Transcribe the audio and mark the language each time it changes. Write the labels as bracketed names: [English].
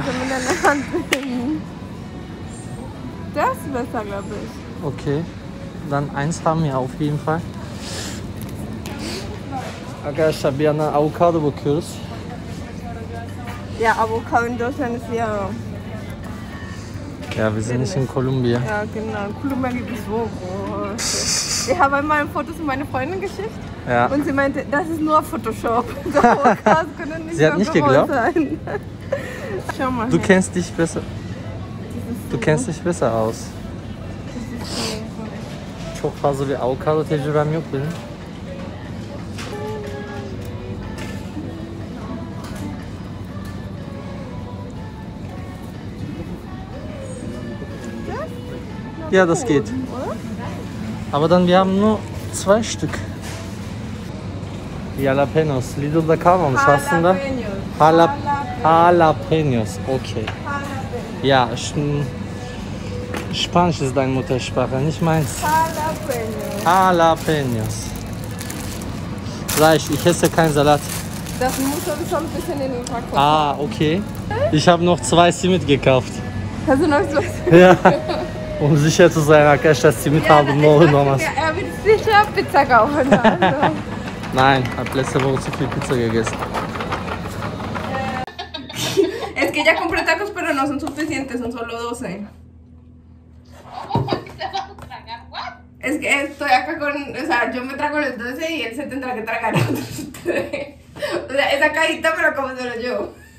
[German] Ich kann mit deiner Hand bilden. Das ist besser, glaube ich. Okay. Dann eins haben wir auf jeden Fall. [Turkish] Arkadaşlar, okay, bir yana avokado bakıyoruz. [German] Ya avokado in Deutschland ist ja... Ja, wir sind nicht in Kolumbien. Ja, genau. Kolumbien gibt es so groß. Ich habe einmal ein Foto zu meiner Freundin geschickt. Ja. Und sie meinte, das ist nur Photoshop. Das können nicht sie hat nicht geglaubt. Sein. Schau mal. Du kennst dich besser. Du kennst dich besser aus. [Turkish] Çok fazla bir avokado tecrübem yok benim. [German] Ja, das geht. Aber dann, wir haben nur zwei Stück. Jalapenos. [Turkish] Lidl'da kalmamış aslında. [German] Jalapenos. Okay. Ja, Spanisch ist deine Muttersprache, nicht meins. Jalapenos. Fleisch, ich esse keinen Salat. Das muss aber schon ein bisschen in den Pack kommen. Ah, okay. Ich habe noch zwei Simit gekauft. Hast du noch zwei Simit? Ja. Um sicher zu sein, [Turkish] arkadaşlar, Simit aldım, ne olur ne olmaz. [German] Er wird sicher Pizza kaufen. Nein, hab letzte Woche zu viel Pizza gegessen. [Spanish] Es que ya compré tacos, pero no son suficientes, son solo 12. Es que estoy acá con, o sea, yo me trago los 12 y él se tendrá que tragar los 3. O sea, esa cajita me lo como solo yo.